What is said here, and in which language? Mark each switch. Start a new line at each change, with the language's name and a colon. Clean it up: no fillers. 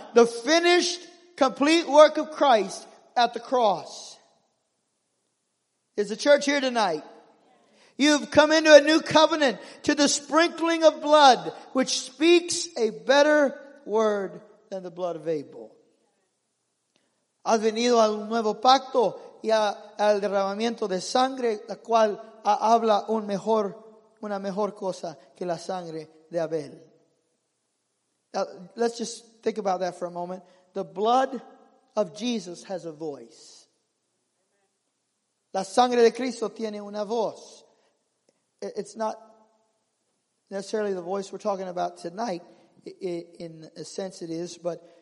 English: The finished, complete work of Christ at the cross. Is the church here tonight? You've come into a new covenant, to the sprinkling of blood, which speaks a better word than the blood of Abel.
Spanish: Has venido al nuevo pacto y al derramamiento de sangre, la cual habla una mejor cosa que la sangre de Abel.
English: Now, let's just think about that for a moment. The blood of Jesus has a voice.
Spanish: La sangre de Cristo tiene una voz.
English: It's not necessarily the voice we're talking about tonight, in a sense it is, but